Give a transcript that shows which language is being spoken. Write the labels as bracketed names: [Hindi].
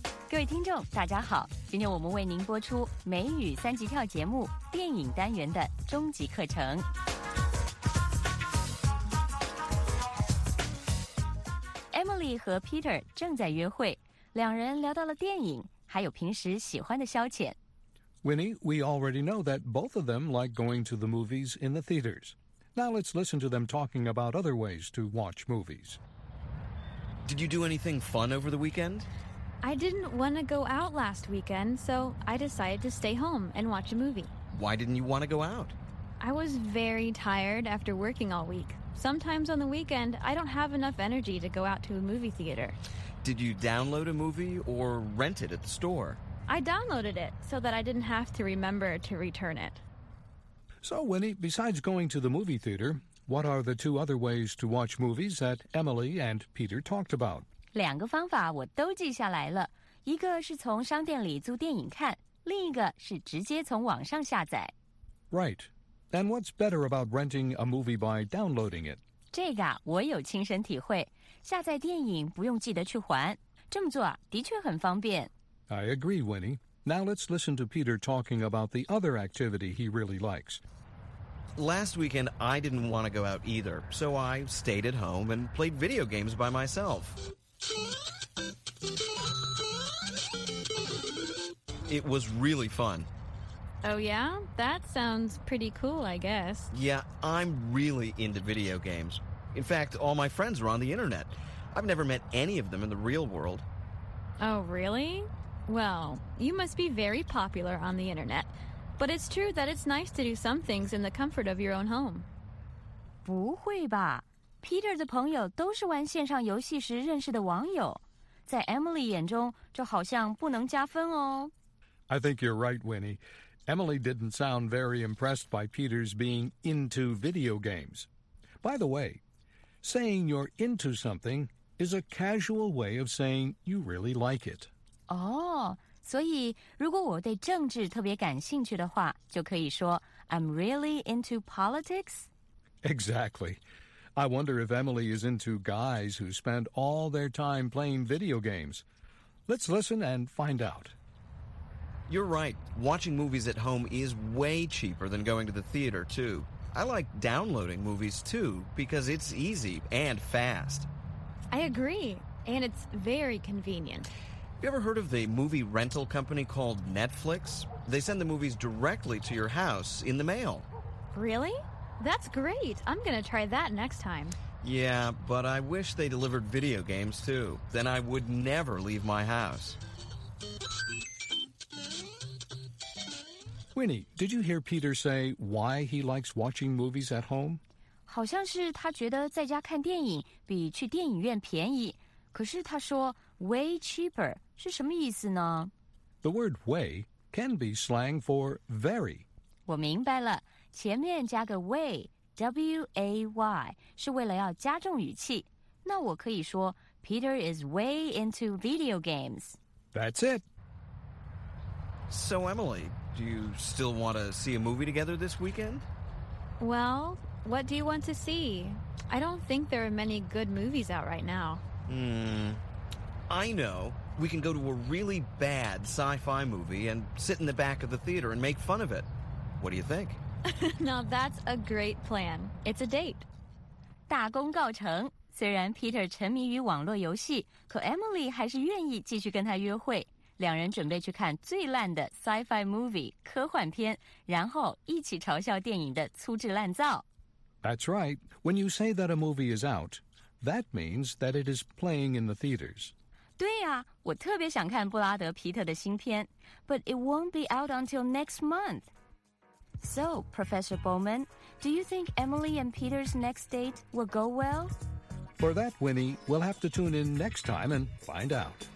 [Chinese] 各位听众大家好，今天我们为您播出美语三级跳节目电影单元的终极课程。 Emily 和 Peter 正在约会，两人聊到了电影，还有平时喜欢的消遣。 [English] Winnie, we already know that both of them like going to the movies in the theaters. Now let's listen to them talking about other ways to watch movies. Did you do anything fun over the weekend? I didn't want to go out last weekend, so I decided to stay home and watch a movie. Why didn't you want to go out? I was very tired after working all week. Sometimes on the weekend, I don't have enough energy to go out to a movie theater. Did you download a movie or rent it at the store? I downloaded it so that I didn't have to remember to return it. So, Winnie, besides going to the movie theater, what are the two other ways to watch movies that Emily and Peter talked about? [Chinese] 两个方法我都记下来了。一个是从商店里租电影看，另一个是直接从网上下载。 [English] Right. And what's better about renting a movie by downloading it? [Chinese] 这个我有亲身体会。下载电影不用记得去还。这么做的确很方便。 [English] I agree, Winnie. Now let's listen to Peter talking about the other activity he really likes. Last weekend, I didn't want to go out either, so I stayed at home and played video games by myself. It was really fun. Oh, yeah? That sounds pretty cool, I guess. Yeah, I'm really into video games. In fact, all my friends are on the internet. I've never met any of them in the real world. Oh, really? Well, you must be very popular on the internet. But it's true that it's nice to do some things in the comfort of your own home. [Chinese] 不会吧。 Peter 的朋友都是玩线上游戏时认识的网友。在 Emily 眼中，这好像不能加分哦。 [English] I think you're right, Winnie. Emily didn't sound very impressed by Peter's being into video games. By the way, saying you're into something is a casual way of saying you really like it. [Chinese] 所以如果我对政治特别感兴趣的话，就可以说 [English] I'm really into politics? Exactly. I wonder if Emily is into guys who spend all their time playing video games. Let's listen and find out. You're right. Watching movies at home is way cheaper than going to the theater, too. I like downloading movies, too, because it's easy and fast. I agree. And it's very convenient. You ever heard of the movie rental company called Netflix? They send the movies directly to your house in the mail. Really? That's great. I'm going to try that next time. Yeah, but I wish they delivered video games too. Then I would never leave my house. Winnie, did you hear Peter say why he likes watching movies at home? [Chinese] 好像是他觉得在家看电影比去电影院便宜。可是他说 way cheaper. 是什么意思呢? [English] The word way can be slang for very. [Chinese] 我明白了,前面加个 way, W-A-Y, 是为了要加重语气。那我可以说 [English] Peter is way into video games. That's it. So Emily, do you still want to see a movie together this weekend? Well, what do you want to see? I don't think there are many good movies out right now. I know. We can go to a really bad sci-fi movie and sit in the back of the theater and make fun of it. What do you think? Now that's a great plan. It's a date. [Chinese] 大功告成。虽然 Peter 沉迷于网络游戏，可 Emily 还是愿意继续跟他约会。两人准备去看最烂的 sci-fi movie 科幻片，然后一起嘲笑电影的粗制滥造。 [English] That's right. When you say that a movie is out, that means that it is playing in the theaters. [Chinese] 对呀、啊，我特别想看布拉德·皮特的新片 ， [English] But it won't be out until next month. So, Professor Bowman, do you think Emily and Peter's next date will go well? For that, Winnie, we'll have to tune in next time and find out.